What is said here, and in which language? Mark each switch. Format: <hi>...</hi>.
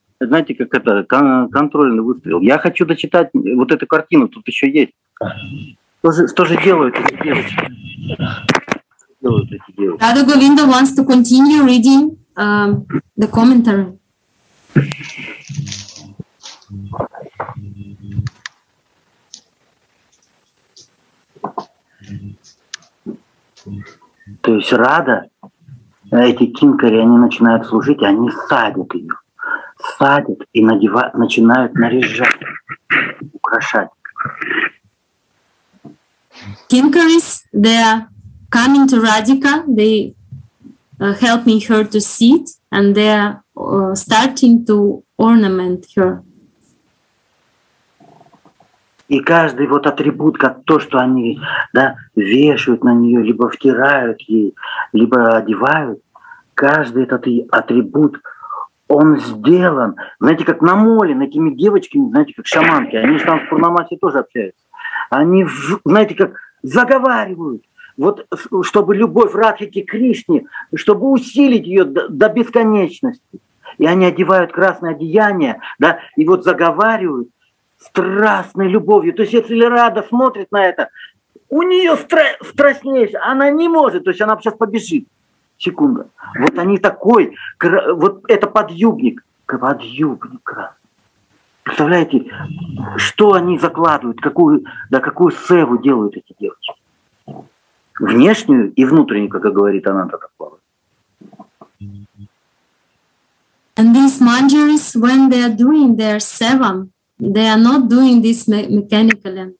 <ru>Знаете, как это, контрольный выстрел. Я хочу дочитать вот эту картину, тут еще есть. Что же делают эти девочки?</ru> <en>Radha Govinda wants to continue reading the commentary.</en> <ru>То есть Рада, эти кинкари, они начинают служить, они садят ее. Садят и начинают наряжать, украшать.</ru> <en>Kinkaris, they are coming to Radhika. They helping her to sit, and they are starting to ornament her.</en> <ru>И каждый вот атрибут, как то, что они, да, вешают на нее, либо втирают ей, либо одевают, каждый этот атрибут, он сделан, знаете, как намолен этими девочками, знаете, как шаманки, они же там в Пурнамасе тоже общаются. Они, знаете, как заговаривают, вот, чтобы любовь Радхики Кришне, чтобы усилить ее до бесконечности. И они одевают красное одеяние, да, и вот заговаривают страстной любовью. То есть если Рада смотрит на это, у нее страстнейшая, она не может, то есть она сейчас побежит. Секунда. Вот они такой, вот это подъюбник. Подъюбник красный. Представляете, что они закладывают, какую, да, какую севу делают эти девочки. Внешнюю и внутреннюю, как говорит Ананда Такова.</ru> <en>And these manjaris, when they are doing their seven, they are not doing this mechanically.</en>